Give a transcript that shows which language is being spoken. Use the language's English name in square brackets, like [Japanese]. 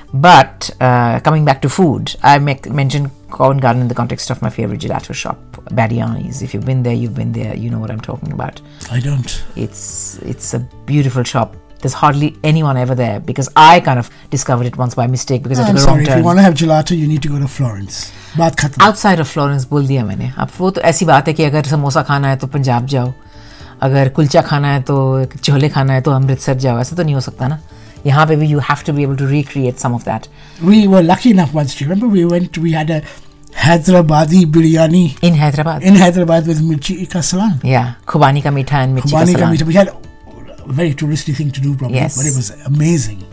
[English] But coming back to food, I mentioned Covent Garden in the context of my favorite gelato shop, Badiani's. If you've been there, you've been there. You know what I'm talking about. I don't. It's a beautiful shop. There's hardly anyone ever there because I kind of discovered it once by mistake because I took a wrong turn. If you want to have gelato, you need to go to Florence. [Hindi] बात खत्म. [English] Outside of Florence [Hindi] बोल दिया मैंने. अब वो तो ऐसी बात है कि अगर समोसा खाना है तो पंजाब जाओ, अगर कुलचा खाना है तो छोले खाना है तो अमृतसर जाओ. ऐसा तो नहीं हो सकता ना. यहाँ पे भी [English] you have to be able to recreate some of that. We were lucky enough once. Remember we had a Hyderabadi biryani in Hyderabad. In Hyderabad with mirchi ka salan. Yeah, khubani ka meetha and mirchi ka salan. We had a very touristy thing to do probably, yes, but it was amazing.